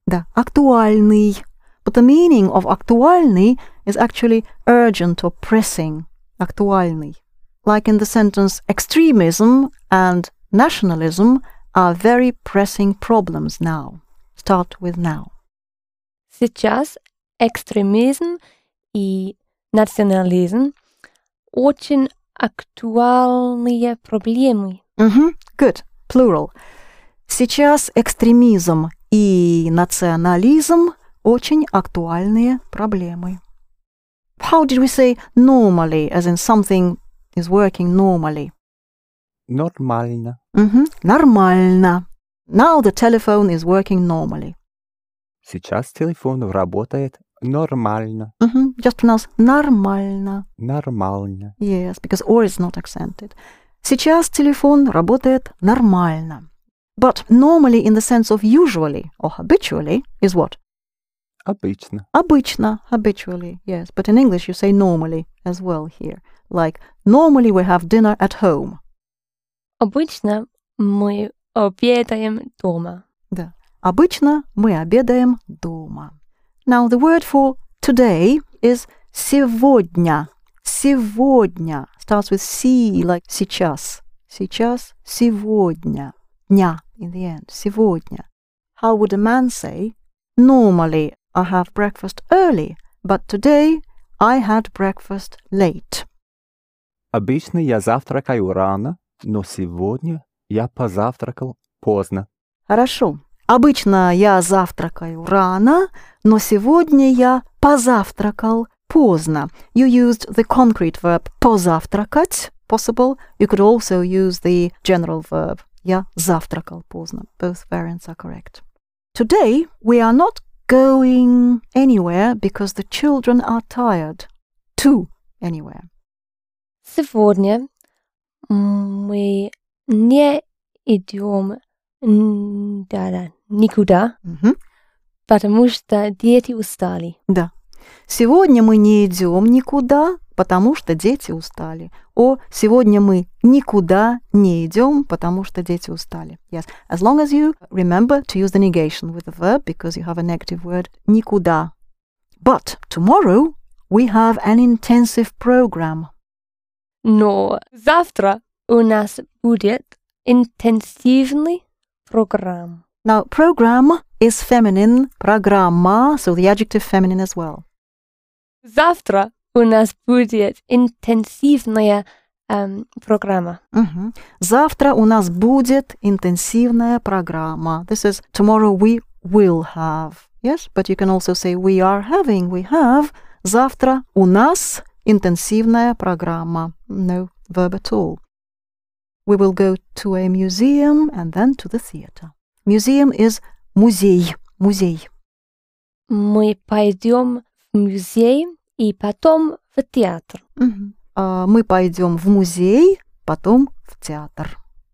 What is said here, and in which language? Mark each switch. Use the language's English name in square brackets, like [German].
[Russian] Да, актуальный. [English] But the meaning of актуальный is actually urgent or pressing. [Russian] Актуальный. [English] Like in the sentence, extremism and nationalism are very pressing problems now. Start with now. [Russian] Сейчас экстремизм и национализм очень актуальные проблемы. [English] Mm-hmm. Good. Plural. [Russian] Сейчас экстремизм и национализм очень актуальные проблемы. [English] How did we say normally, as in something is working normally? [Russian] Нормально. [English] Mm-hmm. Нормально. Now the telephone is working normally. [Russian] Сейчас телефон работает нормально. [English] Mm-hmm. Just pronounce нормально. [Russian] Нормально. [English] Yes, because or is not accented. [Russian] Сейчас телефон работает нормально. [English] But normally in the sense of usually or habitually is what? [Russian] Обычно. [English] Обычно, habitually, yes. But in English you say normally as well here. Like normally we have dinner at home. [Russian] Обычно мы обедаем дома. Да. Обычно мы обедаем дома. [English] Now, the word for today is [Russian] сегодня. [English] Сегодня. Starts with C, like сейчас. [Russian] Сейчас, сегодня. Дня, in the end. Сегодня. [English] How would a man say, normally I have breakfast early, but today I had breakfast late? [Russian] Обычно я завтракаю рано. Но сегодня я позавтракал поздно. Хорошо. Обычно я завтракаю рано, но сегодня я позавтракал поздно. [English] You used the concrete verb позавтракать, possible. You could also use the general verb [Russian] я завтракал поздно. [English] Both variants are correct. Today we are not going anywhere because the children are tired. To anywhere. [Russian] Сегодня мы не идем Да-да, никуда, потому что дети устали. Да. Сегодня мы не идем никуда, потому что дети устали. О, сегодня мы никуда не идем, потому что дети устали. [English] Yes. As long as you remember to use the negation with the verb, because you have a negative word, никуда. But tomorrow we have an intensive program. [Russian] Но завтра у нас будет интенсивный программ. [English] Now, program is feminine, программа, so the adjective feminine as well. [Russian] Завтра у нас будет интенсивная программа. Mm-hmm. Завтра у нас будет интенсивная программа. [English] This is tomorrow we will have. Yes, but you can also say we are having, we have. [Russian] Завтра у нас интенсивная программа. [English] No verb at all. We will go to a museum and then to the theater. Museum is музей. Музей. [Russian] Мы пойдем в музей и потом в театр. Мы пойдем в музей, потом в театр.